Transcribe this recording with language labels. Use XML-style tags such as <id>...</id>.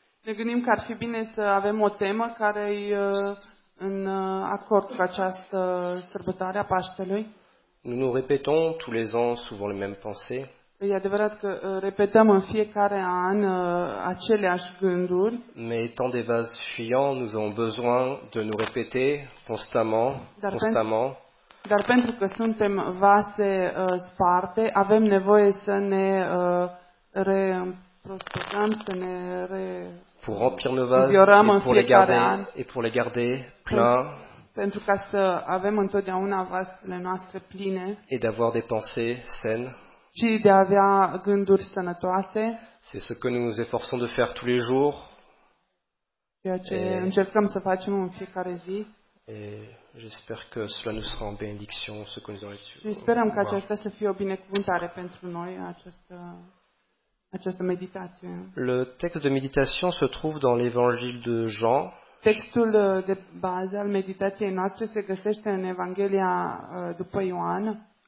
<ro>Ne gândim că ar fi bine să avem o temă care e în acord cu această sărbătoare a Paștelui.</ro> <fr>Nous nous répétons tous les ans souvent les mêmes pensées.</fr> <ro>E adevărat că repetăm în fiecare an aceleași gânduri.</ro> <fr>Mais étant des vases fuyants, nous avons besoin de nous répéter constamment.</fr> <ro>Dar pentru că suntem vase sparte, avem nevoie să ne reîmprospătăm, să ne reînviorăm în fiecare an.</ro> <fr>Et pour les garder pleins.</fr> <ro>Pentru ca să avem întotdeauna vasele noastre pline.</ro> <fr>Et d'avoir des pensées saines.</fr> <ro>Și de a avea gânduri sănătoase.</ro> <fr>C'est ce que nous efforçons de faire tous les jours.</fr> <ro>Ceea ce încercăm să facem în fiecare zi.</ro> <fr>Et j'espère que cela nous sera en bénédiction, ce que nous aurons reçu.</fr> <ro>Sperăm ca aceasta să fie o binecuvântare pentru noi, această meditație.</ro> <fr>Le texte de méditation se trouve dans l'évangile de Jean.</fr> <ro>Textul de bază al meditației noastre se găsește în Evanghelia după Ioan.</ro>